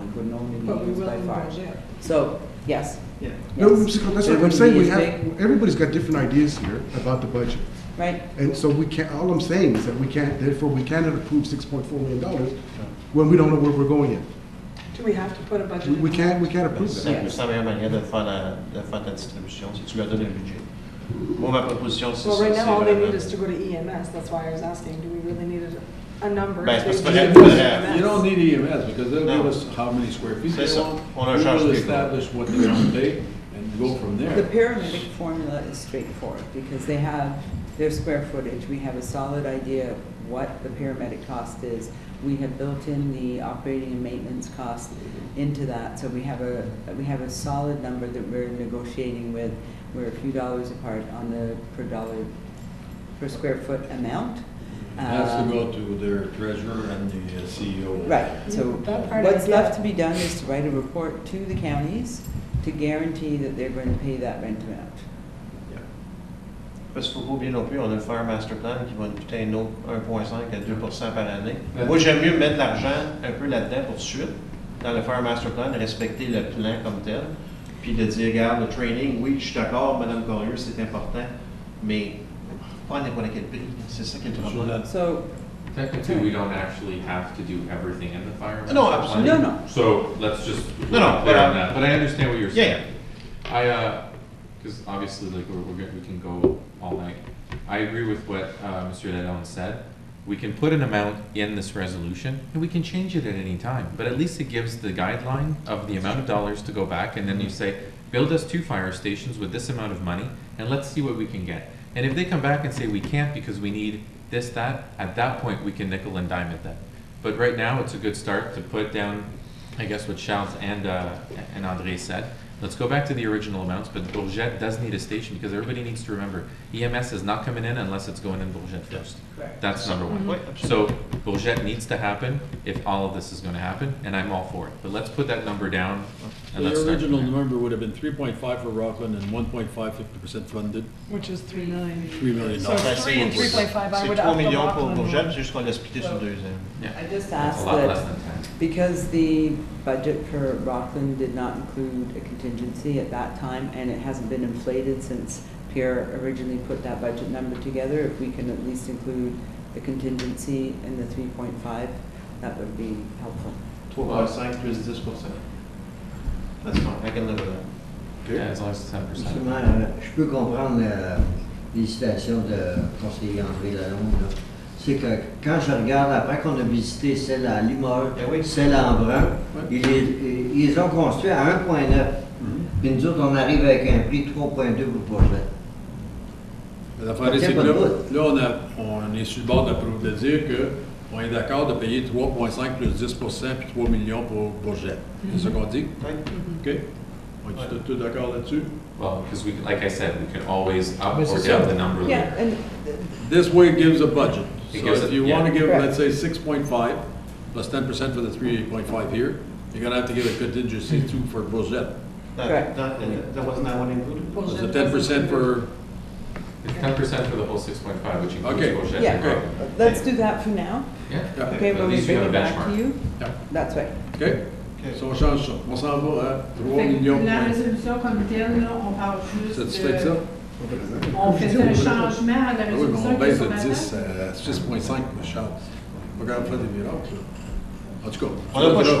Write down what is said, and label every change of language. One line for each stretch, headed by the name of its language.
English: It wouldn't only be used by far. So, yes. Yeah. Yes. No, that's what I'm saying. Everybody's got different ideas here about the budget. Right. And so we can't, all I'm saying is that we can't, therefore we cannot approve $6.4 million when we don't know where we're going yet. Do we have to put a budget in? We can't approve that.
French: C'est la meilleure manière de faire la distribution, si tu lui as donné un budget.
English: Well, right now, all they need is to go to EMS. That's why I was asking, do we really need a number? You don't need EMS because they'll give us how many square feet they want. We'll establish what they want to pay and go from there. The paramedic formula is straightforward because they have their square footage. We have a solid idea of what the paramedic cost is. We have built in the operating and maintenance cost into that. So we have a solid number that we're negotiating with. We're a few dollars apart on the per dollar per square foot amount. Has to go to their treasurer and the CEO. Right. So what's left to be done is to write a report to the counties to guarantee that they're going to pay that rent amount.
French: Parce qu'il ne faut pas bien non plus, on a le Fire Master Plan qui va nous coûter 1,5 à 2% par année. Moi, j'aime mieux mettre l'argent un peu là-dedans pour tout de suite, dans le Fire Master Plan, respecter le plan comme tel, puis de dire, regarde, le training, oui, je suis d'accord, Mme Collier, c'est important, mais pas à n'importe quel prix, c'est ça qui est le problème.
English: So, technically, we don't actually have to do everything in the Fire Master Plan. No, absolutely. No, no. So, let's just clear on that. But I understand what you're saying. Yeah. Because obviously, like we can go all night. I agree with what Mr. Lalonde said. We can put an amount in this resolution, and we can change it at any time. But at least it gives the guideline of the amount of dollars to go back, and then you say, build us two fire stations with this amount of money, and let's see what we can get. And if they come back and say we can't because we need this, that, at that point we can nickel and dime at them. But right now it's a good start to put down, I guess, what Charles and André said. Let's go back to the original amounts, but Bourget does need a station because everybody needs to remember EMS is not coming in unless it's going in Bourget first. Correct. That's number one. Mm-hmm. So Bourget needs to happen if all of this is going to happen, and I'm all for it. But let's put that number down. And the let's original start number would have been 3.5 for Rockland and 1.5 50% funded. Which is $3 million. $3 million. So 3.5, I would have to go
French: Rockland. C'est 3 millions pour Bourget, c'est juste qu'on l'a split sur deux ans.
English: I just asked that. because the budget for Rockland did not include a contingency at that time, and it hasn't been inflated since Pierre originally put that budget number together, if we can at least include the contingency in the 3.5, that would be helpful. 12.5% is this percent. That's fine. I can live with that. Yeah, as long as it's 10%.
French: Je peux comprendre l'hésitation de conseiller André Lalonde. C'est que quand je regarde, après qu'on a visité celle à Limoges, celle à Embrun, ils ont construit à 1.9. Mm-hmm. Puis nous autres, on arrive avec un prix 3.2 pour le projet. L'affaire est que on est sur le bord d'approuver, de dire que on est d'accord de payer 3.5 plus 10% puis 3 millions pour Bourget. Mm-hmm. C'est ce qu'on dit? Mm-hmm.
English: OK. Are you still
French: d'accord là-dessus?
English: Well, because like I said, we can always up or down the number. Yeah, and this way it gives a budget. Let's say 6.5 plus 10% for the 3.5 here, you're going to have to give a contingency too for Bourget. Correct. That wasn't that one included? Is it 10% for? It's 10% for the whole 6.5, which includes Bourget. Yeah, okay. Let's do that for now. Yeah. Okay, but we'll bring it back to you. Yeah. That's right. Okay.
French: Si on change ça, on s'en va à 3 fait millions. La résolution comme telle, là, on parle juste. Satisfait de ça? On fait un changement à la résolution. On baisse de 10 à 6.5, ma chance. On va faire des miracles. Là. En tout cas,